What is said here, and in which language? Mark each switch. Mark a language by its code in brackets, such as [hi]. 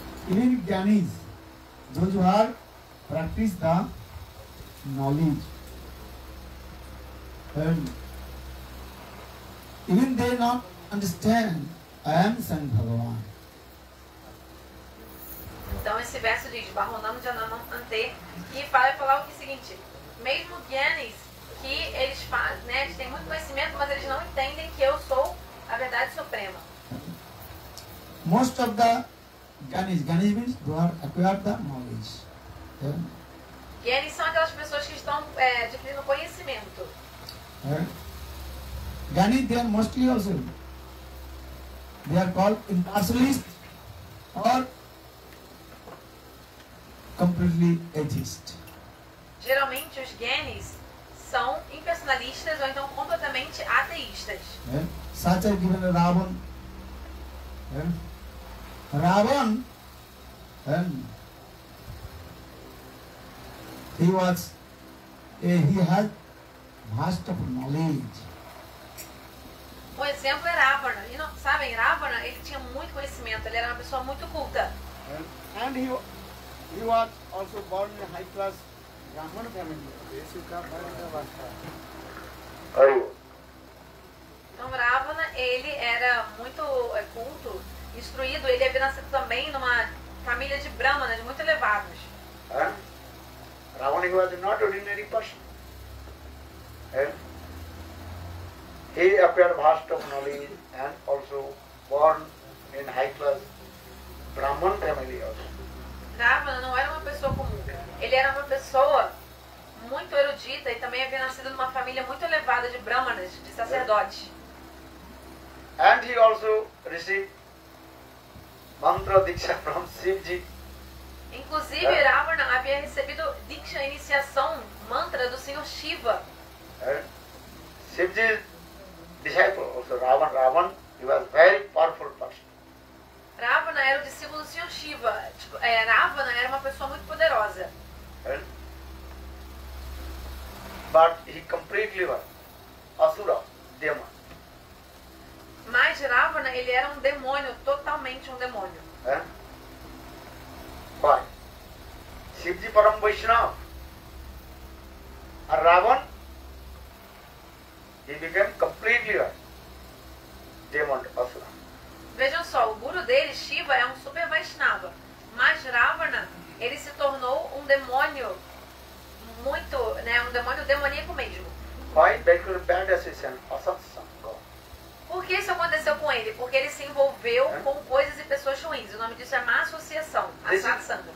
[en] Even jnanis, those who have practiced the knowledge, and even they not understand, I am Sang Bhagavan. [pt] Então esse verso diz, [sa] Bahunam Janamam Ante, [pt] que fala, o que é o seguinte, mesmo jnanis, que eles fazem, né, eles têm muito conhecimento, mas eles não entendem que eu sou a verdade suprema. [en] Most of the jnanis, jnanis means who have acquired the knowledge. [pt] E eles são aquelas pessoas que estão adquirindo conhecimento. [en] Gyanis, they are mostly also. They are called impersonalist or completely atheist. [pt] Geralmente os gyanis são impersonalistas ou então completamente ateístas. [en] Such as given Ravan. Ravan, and he was a, he had master of knowledge. [pt] O exemplo é Ravana. E não, sabem, Ravana, ele tinha muito conhecimento, ele era uma pessoa muito culta. [en] And he was also born in a high class Brahmana family. [pt] Esse cara era da vasta. Então Ravana, ele era muito culto, instruído, ele havia nascido também numa família de Brahmanas muito elevados. [en] Ravana was not ordinary person. He appeared vast of knowledge and also born in high class Brahman family also. [pt] Ravana não era uma pessoa comum. Ele era uma pessoa muito erudita e também havia nascido numa família muito elevada de Brahmanas, de sacerdotes. [en] And he also received mantra diksha from Shivji. [pt] Inclusive, Ravana havia recebido diksha, iniciação, mantra do Senhor Shiva. [en] Shivji disciple also Ravan, he was very powerful person. [pt] Ravana era o discípulo do Senhor Shiva. Tipo, Ravana era uma pessoa muito poderosa. [en] But he completely was asura, demon. [pt] Mas Ravana, ele era um demônio, totalmente um demônio. [en] Why? Shivji Param Vaishnava. And Ravana, he became completely a demon asura. [pt] Vejam só, o guru dele, Shiva, é um super Vaishnava. Mas Ravana, ele se tornou um demônio muito, né, um demônio demoníaco mesmo. [en] Why? Because bad association, asat sangha. [pt] Por que isso aconteceu com ele? Porque ele se envolveu com coisas e pessoas ruins. O nome disso é má associação, asat sangha.